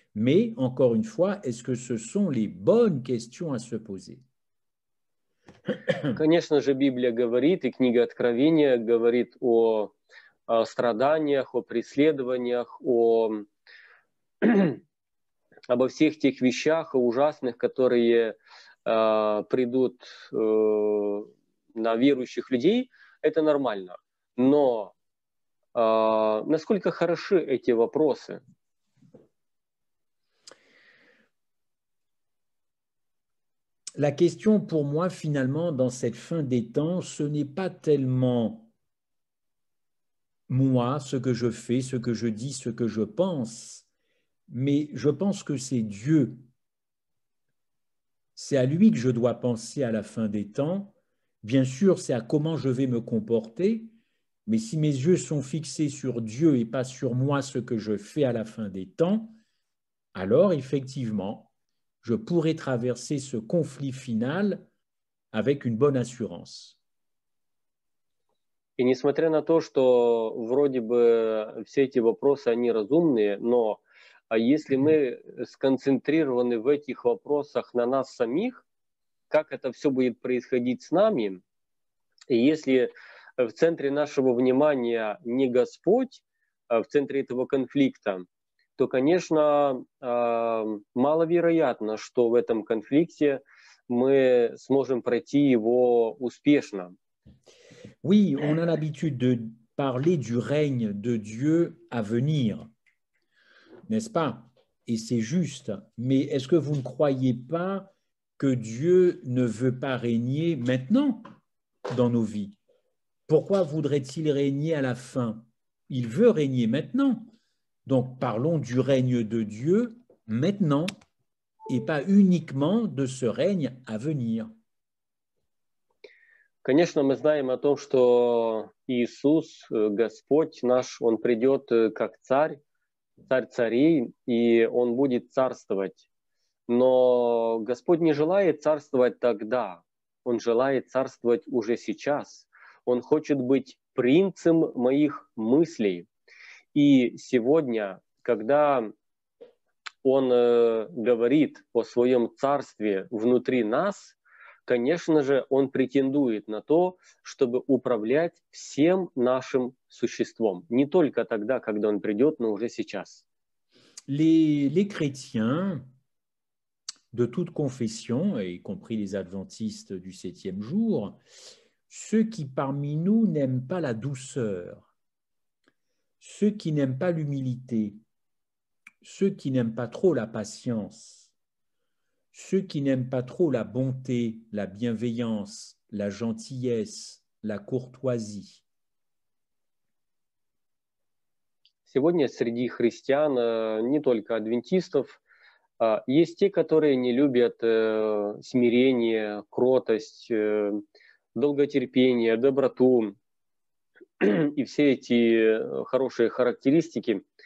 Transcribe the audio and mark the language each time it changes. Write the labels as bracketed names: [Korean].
[French] Mais, encore une fois, est-ce que ce sont les bonnes questions à se poser? [Russian] Конечно же, Библия говорит, и книга Откровения говорит о страданиях, о преследованиях, обо всех тех вещах ужасных, которые придут на верующих людей. Это нормально. Но насколько хороши эти вопросы? [French] La question pour moi, finalement, dans cette fin des temps, ce n'est pas tellement moi, ce que je fais, ce que je dis, ce que je pense, mais je pense que c'est Dieu. C'est à lui que je dois penser à la fin des temps. Bien sûr, c'est à comment je vais me comporter, mais si mes yeux sont fixés sur Dieu et pas sur moi, ce que je fais à la fin des temps, alors effectivement, je pourrais traverser ce conflit final avec une bonne assurance. [Russian] И несмотря на то, что вроде бы все эти вопросы, они разумные, но если мы сконцентрированы в этих вопросах на нас самих, как это все будет происходить с нами, и если в центре нашего внимания не Господь, в центре этого конфликта, то, конечно, маловероятно, что в этом конфликте мы сможем пройти его успешно. [French] Oui, on a l'habitude de parler du règne de Dieu à venir, n'est-ce pas? Et c'est juste, mais est-ce que vous ne croyez pas que Dieu ne veut pas régner maintenant dans nos vies? Pourquoi voudrait-il régner à la fin? Il veut régner maintenant. Donc parlons du règne de Dieu maintenant et pas uniquement de ce règne à venir. [Russian] Конечно, мы знаем о том, что Иисус, Господь наш, Он придет как царь, царь царей, и Он будет царствовать. Но Господь не желает царствовать тогда, Он желает царствовать уже сейчас. Он хочет быть принцем моих мыслей. И сегодня, когда Он говорит о своем царстве внутри нас, конечно же, он претендует на то, чтобы управлять всем нашим существом. Не только тогда, когда он придет, но уже сейчас. [French] Les chrétiens de toute confession, y compris les adventistes du septième jour, ceux qui parmi nous n'aiment pas la douceur, ceux qui n'aiment pas l'humilité, ceux qui n'aiment pas trop la patience, ceux qui n'aiment pas trop la bonté, la bienveillance, la gentillesse, la courtoisie. [Russian] Сегодня среди христиан, не только адвентистов, есть те, которые не любят смирение, кротость, долготерпение, доброту и все эти хорошие характеристики.